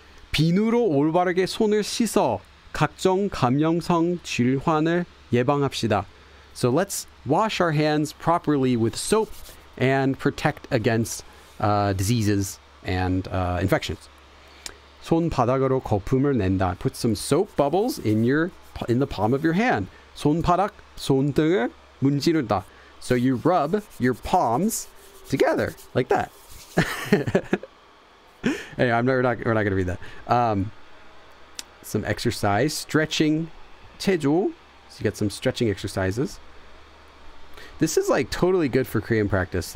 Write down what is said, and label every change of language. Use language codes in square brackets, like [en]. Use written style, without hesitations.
[ko] 비누로 올바르게 손을 씻어 각종 감염성 질환을 예방합시다. [en] So let's wash our hands properly with soap and protect against diseases and infections. [ko] 손바닥으로 거품을 낸다. [en] Put some soap bubbles in the palm of your hand. [ko] 손바닥, 손등을 문지른다. [en] So you rub your palms together like that. Anyway, we're not going to read that. Some exercise, stretching, 체조. So you get some stretching exercises. This is like totally good for Korean practice.